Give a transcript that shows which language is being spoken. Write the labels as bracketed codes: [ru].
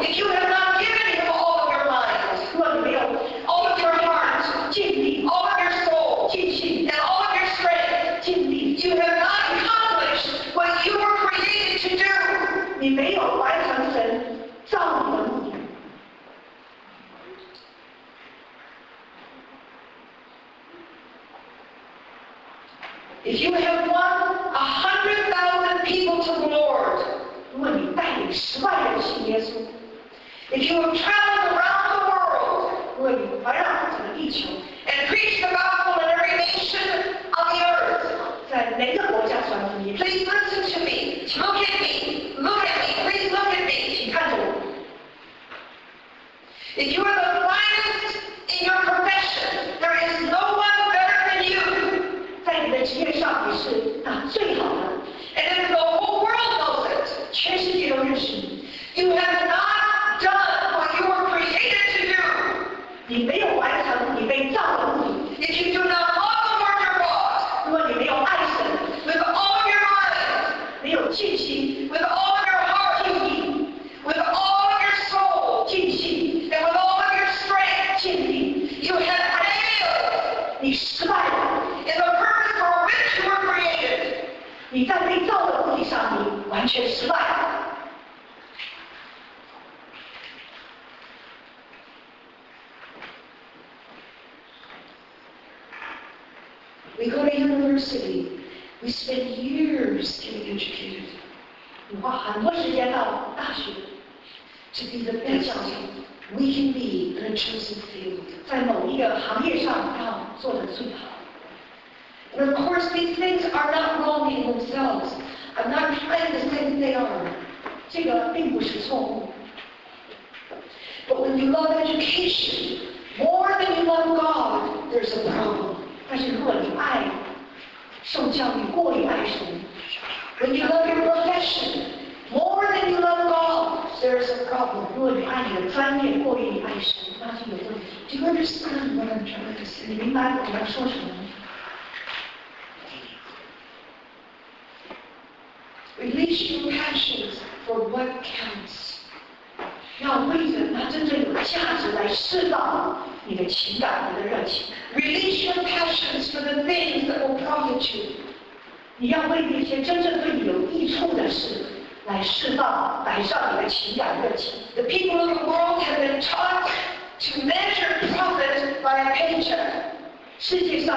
[en] if you have not given him all of your mind, [zh] 如果你没有, [en] all of your heart, [zh] 尽力, [en] all of your soul, [zh] 尽心, [en] and all of your strength, [zh] 尽力, [en] you have not accomplished what you were created to do. [zh] 你没有完成神, 造你的目的。 [en] If you have won 100,000 people to the Lord, [zh] 如果你带领十万人信耶稣, [en] if you have traveled around the world, [zh] 如果你环绕整个地球, [en] and preached the gospel in every nation on the earth, [zh] 在每个国家传福音, [en] please listen to me. Look at me. Look at me. Please look at me. [zh] 请看着我。 [en] If you are the finest in your profession, there is no one better than you. [zh] 在你的职业上你是最好的 [en] and if the whole world knows it [zh] 全世界都认识你 [en] you have not done what you were created to do [zh] 你没有完成你被造的目的 [en] if you do not love the Lord your God [zh] 如果你没有爱神 [en] with all your mind [zh] 没有尽心 [en] with all your heart [zh] 用意 [en] with all your soul [zh] 尽心 [en] and with all your strength [zh] 尽力 [en] you have failed [zh] 你失败了 [en] in the purpose for which you were created. [zh] 你在被造的目的上，你完全失败。 [en] We go to university. We spend years getting educated. [zh] 你花很多时间到大学。 [en] To be the best we can be in a chosen field. [zh] 在某一个行业上要做得最好。 [en] And of course, these things are not wrong in themselves. I'm not trying to say that they are. [zh] 这个并不是错误。 [en] But when you love education more than you love God, there's a problem. [zh] 但是如果你爱受教育过于爱神 [en] When you love your profession more than you love God, there is a problem. Do you understand what I'm trying to say? Release your passions for what counts. [zh] 要为了那真正有价值来释放你的情感、你的热情。 [en] Release your passions for the things that will profit you. [zh] 你要为那些真正对你有益处的事来释放、摆上你的情感热情。 [en] The people of the world have been taught to measure profit by a paycheck.